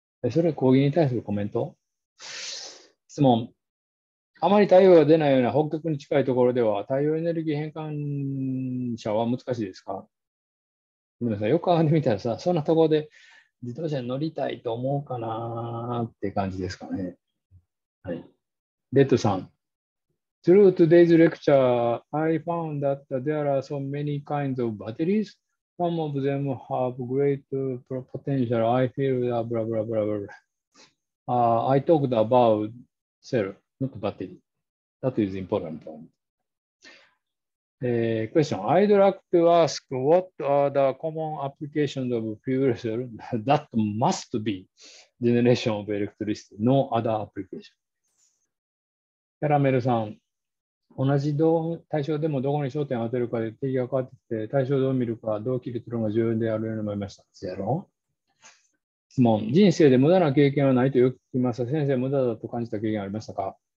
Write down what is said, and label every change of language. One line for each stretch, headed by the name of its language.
Japanese: それは講義に対するコメント？質問。あまり太陽が出ないような北極に近いところでは太陽エネルギー変換車は難しいですか？ごめんなさい。よく考えてみたらさ、そんなところで自動車に乗りたいと思うかなって感じですかね。はい。レッドさん。
English: Through today's lecture, I found that there are so many kinds of batteries. Some of them have great potential. I feel that blah, blah, blah, blah. I talked about cell. Not battery. That is important. Question. I'd like to ask what are the common applications of fuel cell that must be generation of electricity, no other application.
Japanese: キャラメルさん、同じ対象でもどこに焦点を当てるかで定義が変わってきて、対象をどう見るか、どう切り取るのが重要であるように思いました。やろう。質問。人生で無駄な経験はないとよく聞きました。先生、無駄だと感じた経験ありましたか？